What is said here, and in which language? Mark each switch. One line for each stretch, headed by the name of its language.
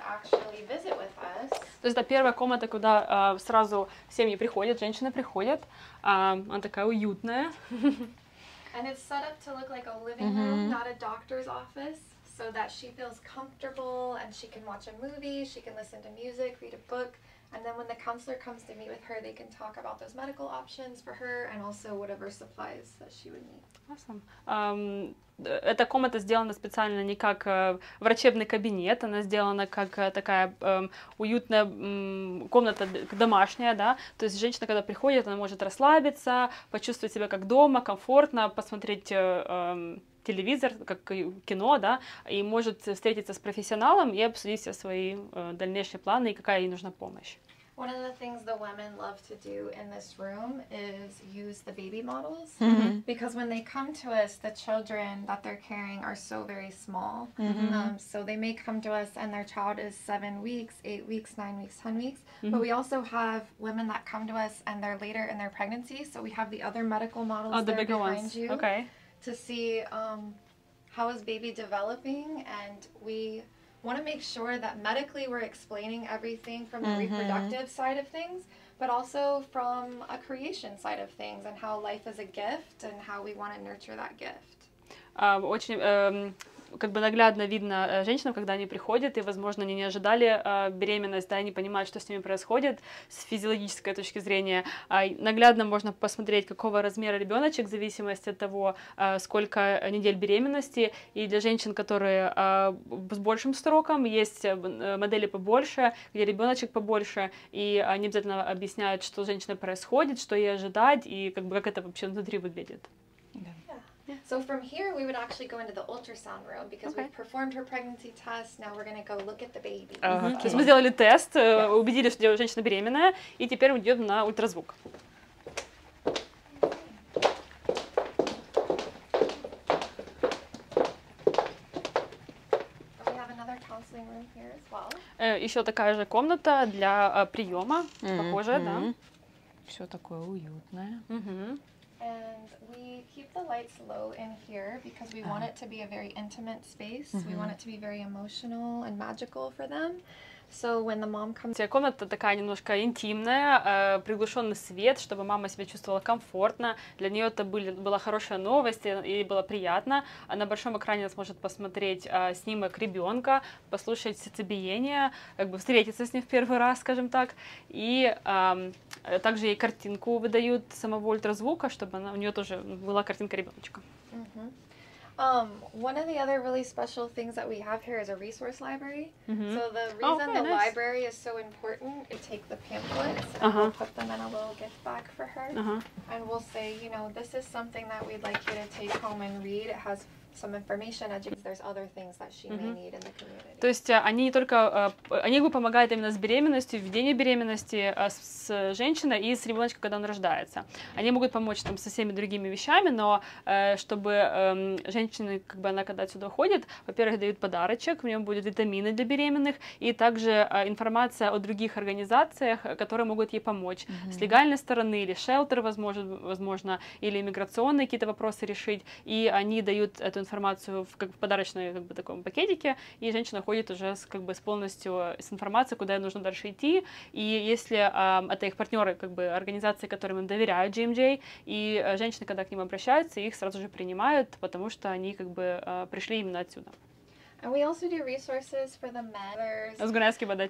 Russian: То есть это первая комната, куда сразу семьи приходят, женщины приходят. Она такая уютная.
English: And it's set up to look like a living room, mm-hmm. not a doctor's office, so that she feels comfortable and she can watch a movie, she can listen to music, read a book, and then when the counselor comes to meet with her, they can talk about those medical options for her and also whatever supplies that she would need. Awesome.
Russian: Эта комната сделана специально не как врачебный кабинет, она сделана как такая уютная комната домашняя, да, то есть женщина, когда приходит, она может расслабиться, почувствовать себя как дома, комфортно, посмотреть телевизор, как кино, да, и может встретиться с профессионалом и обсудить все свои дальнейшие планы и какая ей нужна помощь.
English: One of the things the women love to do in this room is use the baby models, mm-hmm. because when they come to us, the children that they're carrying are so very small. Mm-hmm. So they may come to us and their child is 7 weeks, 8 weeks, 9 weeks, 10 weeks. Mm-hmm. But we also have women that come to us and they're later in their pregnancy. So we have the other medical models oh, the there bigger behind ones. You okay. to see how is baby developing, and we want to make sure that medically we're explaining everything from the mm-hmm. reproductive side of things, but also from a creation side of things and how life is a gift and how we want to nurture that gift.
Russian: Очень как бы наглядно видно женщинам, когда они приходят, и, возможно, они не ожидали беременность, да, и не понимают, что с ними происходит с физиологической точки зрения. Наглядно можно посмотреть, какого размера ребеночек, в зависимости от того, сколько недель беременности. И для женщин, которые с большим сроком, есть модели побольше, где ребеночек побольше, и они обязательно объясняют, что с женщиной происходит, что ей ожидать, и как бы как это вообще внутри выглядит.
English: So from here, we would actually go into the ultrasound room, because okay. we've performed her pregnancy test, now we're going to go look at the baby.
Russian: То есть мы сделали тест, убедились, что женщина беременная, и теперь мы идем на ультразвук.
English: We have another counseling room here as well.
Russian: Еще такая же комната для приема, похожая, да. Все такое уютное.
English: And we keep the lights low in here because we want it to be a very intimate space. Mm-hmm. We want it to be very emotional and magical for them. So when the mom comes,
Russian: комната такая немножко интимная, приглушенный свет, чтобы мама себя чувствовала комфортно. Для нее это была хорошая новость и было приятно. На большом экране она сможет посмотреть снимок ребенка, послушать сердцебиение, как бы встретиться с ним в первый раз, скажем так, и также ей картинку выдают самого ультразвука, чтобы у нее тоже была картинка ребеночка.
English: One of the other really special things that we have here is a resource library. Mm-hmm. So the reason oh, okay, the nice. Library is so important, we take the pamphlets and uh-huh. we'll put them in a little gift bag for her. Uh-huh. And we'll say, you know, this is something that we'd like you to take home and read. It has some information, there's other things that she mm-hmm. may need in the community.
Russian: То есть они не только, они бы помогают именно с беременностью, введение беременности с женщиной и с ребеночком, когда он рождается. Они могут помочь там со всеми другими вещами, но чтобы женщина, как бы она когда отсюда уходит, во-первых, дают подарочек, в нем будут витамины для беременных, и также информация о других организациях, которые могут ей помочь. Mm-hmm. С легальной стороны или шелтер, возможно, или иммиграционные какие-то вопросы решить, и они дают эту информацию в как подарочной как бы таком пакетике, и женщина ходит уже с как бы с полностью с информацией, куда ей нужно дальше идти. И если это их партнеры, как бы организации, которым им доверяют GMJ, и женщины, когда к ним обращаются, их сразу же принимают, потому что они как бы пришли именно отсюда.
English: And we also do resources for the men. I was going to ask you about that.